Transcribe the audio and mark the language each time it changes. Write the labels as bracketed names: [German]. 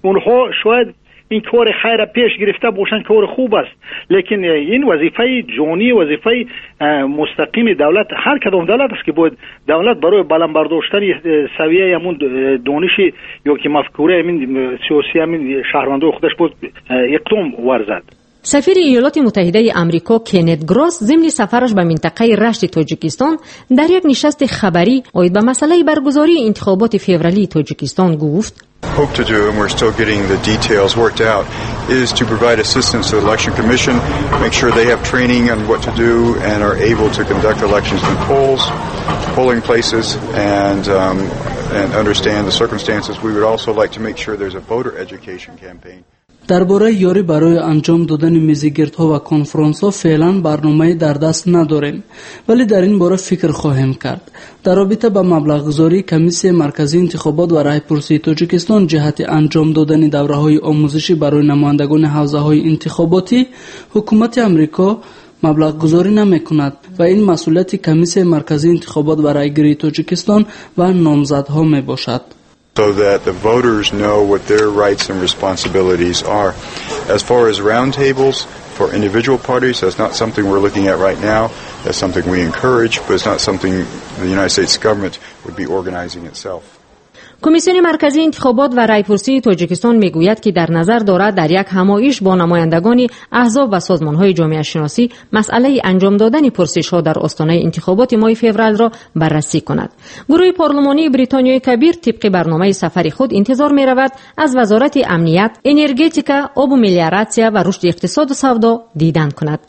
[Persian] اونها شاید این کار خیر پیش گرفته باشند، کار خوب است، لیکن این وظیفه جانی، وظیفه مستقیم دولت، هر کدام دولت است که باید دولت برای بلند برداشتن سویه همون دانش یا که مفکوره همین سیاسی همین شهروندان خودش باید اقدام ورزد. سفیر ایالات متحده آمریکا کنت گروس ضمن سفرش به منطقه رشت تاجیکستان در یک نشست خبری اید به مسئله برگزاری انتخابات فوریه تاجیکستان گفت: [English] Hope to do, and we're still getting the details worked out, is to provide assistance to the election commission, make sure they have training on what to do and are able to conduct elections in polls, polling places, and understand the circumstances. We would also like to make sure there's a voter education campaign. [Persian] درباره یاری برای انجام دادن میزگردها و کنفرانس ها فعلا برنامه در دست نداریم، ولی در این باره فکر خواهیم کرد. در رابطه با مبلغ گذاری کمیسیه مرکزی انتخابات و رای پرسی تاجیکستان جهت انجام دادن دوره های آموزشی برای نمایندگان حوزه های انتخاباتی، حکومت آمریکا مبلغ گذاری نمیکند و این مسئولیت کمیسیه مرکزی انتخابات و رای گیری تاجیکستان و نامزدها میباشد. [English] So that the voters know what their rights and responsibilities are. As far as roundtables for individual parties, that's not something we're looking at right now. That's something we encourage, but it's not something the United States government would be organizing itself. [Persian] کمیسیون مرکزی انتخابات و رای پرسی تاجیکستان میگوید که در نظر دارد در یک همایش با نمایندگان احزاب و سازمانهای جامعه شناسی مسئله انجام دادن پرسش ها در آستانه انتخابات ماه فوریه را بررسی کند. گروه پارلمانی بریتانیای کبیر طبق برنامه سفر خود انتظار می رود از وزارت امنیت، انرژیتیکا، آب و ملیاراسیا و رشد اقتصاد و سودا دیدن کند.